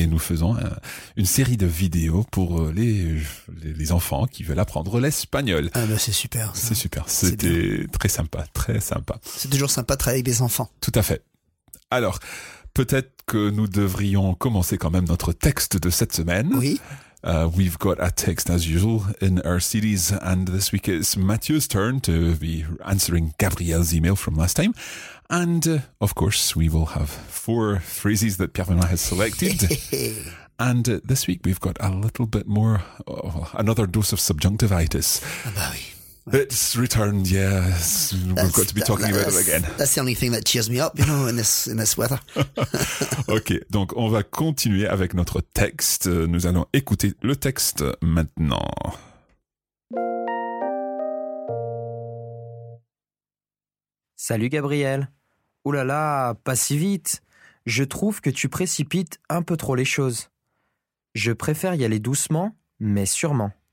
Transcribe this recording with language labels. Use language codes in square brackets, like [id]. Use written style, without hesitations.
[fr] Et nous faisons une série de vidéos pour les enfants qui veulent apprendre l'espagnol. Ah ben c'est super. Ça. C'est super. C'était très sympa. C'est toujours sympa de travailler avec des enfants. Tout à fait. Alors, peut-être que nous devrions commencer quand même notre texte de cette semaine. Oui. [en] We've got a text as usual in our series, and this week it's Mathieu's turn to be answering Gabriel's email from last time. And of course, we will have 4 phrases that Pierre-Benoît has selected. And this week we've got a little bit more, another dose of subjunctivitis. [fr] Bah oui. [en] It's returned, yes. We've got to be talking about it again. That's the only thing that cheers me up, you know, in this weather. [fr] OK, donc on va continuer avec notre texte. Nous allons écouter le texte maintenant. Salut Gabriel. Ouh là là, pas si vite. Je trouve que tu précipites un peu trop les choses. Je préfère y aller doucement, mais sûrement.